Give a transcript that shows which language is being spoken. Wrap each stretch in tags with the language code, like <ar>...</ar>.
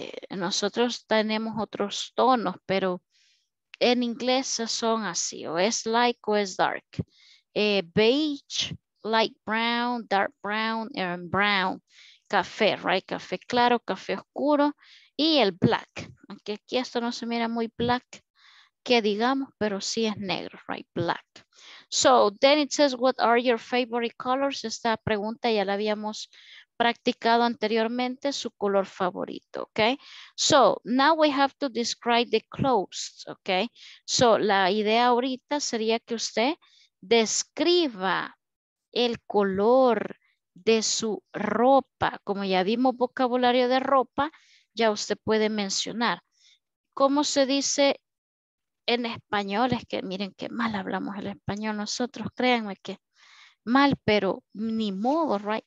<es>nosotros tenemos otros tonos, pero en inglés son así, o es light o es dark, beige,</es> <en>light brown, dark brown, and brown,</en> <es>café, right, café claro, café oscuro, y el black, aunque aquí esto no se mira muy black, que digamos, pero sí es negro, right, black.</es> <en>So, then it says, what are your favorite colors?</en> <es>Esta pregunta ya la habíamos practicado anteriormente, su color favorito, okay?</es> <en>So, now we have to describe the clothes, okay?</en> <es>So, la idea ahorita sería que usted describa el color de su ropa. Como ya vimos vocabulario de ropa, ya usted puede mencionar. ¿Cómo se dice en español? Es que miren qué mal hablamos el español nosotros, créanme que mal, pero ni modo, right?</es>